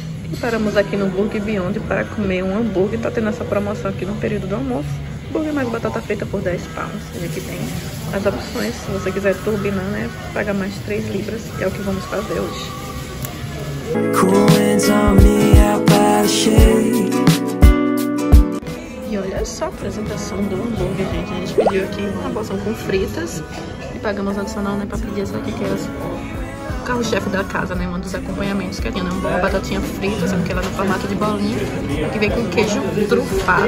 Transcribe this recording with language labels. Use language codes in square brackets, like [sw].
[pt] E paramos aqui no Burger Beyond para comer um hambúrguer. Tá tendo essa promoção aqui no período do almoço. Hambúrguer mais batata frita por 10 pounds. E aqui tem as opções. Se você quiser turbinar, né? Paga mais 3 libras, que é o que vamos fazer hoje. [en] Cool winds on me out by the shade. [pt] Olha só a apresentação do hambúrguer, gente. A gente pediu aqui uma porção com fritas e pagamos adicional, né, pra pedir essa aqui, que é o carro-chefe da casa, né, um dos acompanhamentos que tinha, né, uma batatinha frita, sendo que ela é no formato de bolinha, que vem com queijo trufado.